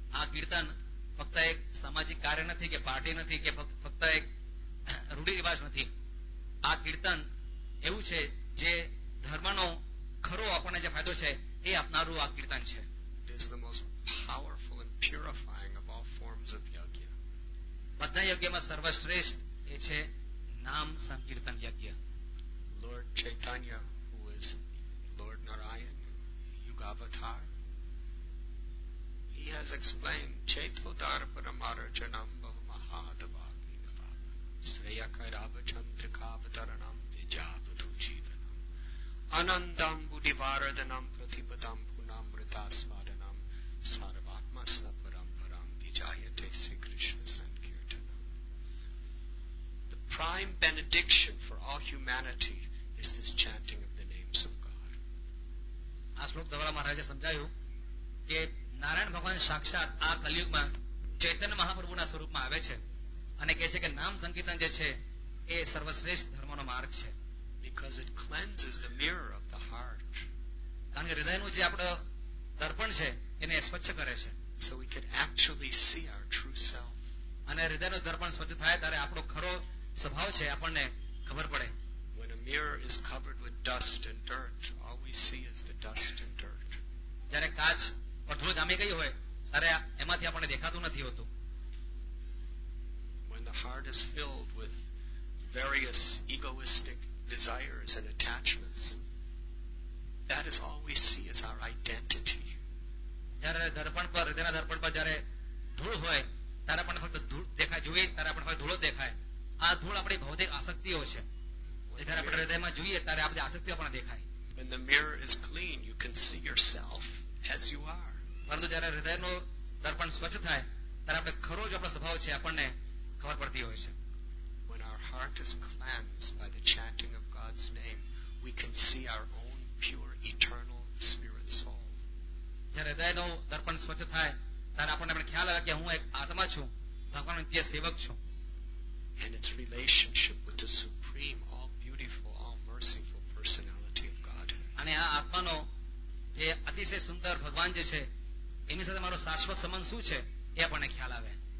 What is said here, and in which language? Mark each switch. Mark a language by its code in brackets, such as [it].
[gu] આ કીર્તન ફક્ત એક સામાજિક કાર્ય નથી કે પાર્ટી નથી કે ફક્ત એક રૂઢિરિવાજ નથી. આ કીર્તન એવું છે જે ધર્મનો ખરો આપણને જે ફાયદો છે એ આપનારું આ કીર્તન છે. [en] It is the most powerful and purifying of all forms of yagya. [gu] બધા યજ્ઞમાં સર્વશ્રેષ્ઠ એ છે નામ સંકીર્તન યજ્ઞ. [en] Lord Chaitanya, who is Lord Narayan, Avatar, he has explained [sa] Chaito Darpana Marajanam Mahadavagnava Sreyakaravachandrikavataranam Vijavadhu Jeevanam Anandam Budivaradanam Pratipadam Punamritasvadanam Saravatma Saparamparam Vijayate Sri Krishna Sankirtanam. [en] The prime benediction for all humanity is this chanting of the names of. [gu] આ શ્લોક દ્વારા મહારાજે સમજાવ્યું કે નારાયણ ભગવાન સાક્ષાત આ કલયુગમાં ચૈતન્ય મહાપ્રભુના સ્વરૂપમાં આવે છે અને કહે છે કે નામ સંકીર્તન જે છે એ સર્વશ્રેષ્ઠ ધર્મનો માર્ગ છે. [en] Because it cleanses the mirror of the heart. [gu] કારણ કે હૃદયનું જે આપણું દર્પણ છે એને સ્વચ્છ કરે છે. [en] So we can actually see our true self. [gu] અને હૃદયનું દર્પણ સ્વચ્છ થાય ત્યારે આપણો ખરો સ્વભાવ છે આપણને ખબર પડે. [en] When a mirror is covered with dust and dirt, all we see is the dust and dirt. [gu] જ્યારે કાચ પર ધૂળ જામી ગઈ હોય ત્યારે એમાંથી આપણને દેખાતું નથી હોતું. [en] When the heart is filled with various egoistic desires and attachments, that is all we see as our identity. [gu] જ્યારે દર્પણ પર હૃદયના દર્પણ પર જ્યારે ધૂળ હોય ત્યારે આપણને ફક્ત ધૂળ દેખાય, જોઈએ ત્યારે આપણને ફક્ત ધૂળ દેખાય. આ ધૂળ આપણી ભૌતિક આસક્તિઓ છે. જ્યારે આપણે હૃદયમાં જોઈએ ત્યારે આ બધી આસક્તિઓ પણ દેખાય. [en] When the mirror is clean, you can see yourself as you are. [gu] પરંતુ જ્યારે હૃદયનો દર્પણ સ્વચ્છ થાય ત્યારે આપણે ખરો જ આપણો સ્વભાવ છે આપણને ખબર પડતી હોય છે. [en] When our heart is cleansed by the chanting of God's name, we can see our own pure, eternal spirit soul. [gu] જ્યારે હૃદયનો દર્પણ સ્વચ્છ થાય ત્યારે આપણને ખ્યાલ આવે કે હું એક આત્મા છું, ભગવાનનો નિત્ય સેવક છું. [en] And its relationship with the supreme, all beautiful, all merciful personality of God. [gu] અને આ આત્માનો જે અતિશય સુંદર ભગવાન જે છે એની સાથે મારો શાશ્વત સંબંધ શું છે એ આપણને ખ્યાલ આવે.